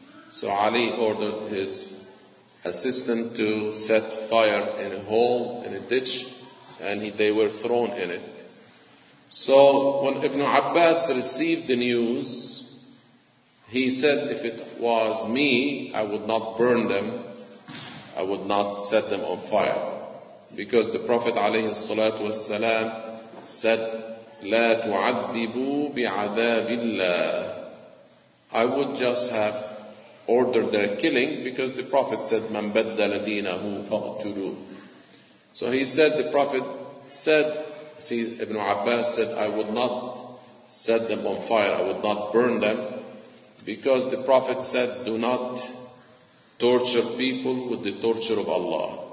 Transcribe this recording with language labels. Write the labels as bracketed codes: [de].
[en] So Ali ordered his assistant to set fire in a hole, in a ditch, and they were thrown in it. So when Ibn Abbas received the news, he said, if it was me, I would not burn them, I would not set them on fire. Because the Prophet ﷺ said, [ar] لا تعذبوا بعذاب الله. [en] I would just have ordered their killing, because the Prophet said, [ar] من بدل دينه فاقتلوا. [en] So he said, the Prophet said, see, Ibn Abbas said, I would not set them on fire, I would not burn them, because the Prophet said, do not torture people with the torture of Allah.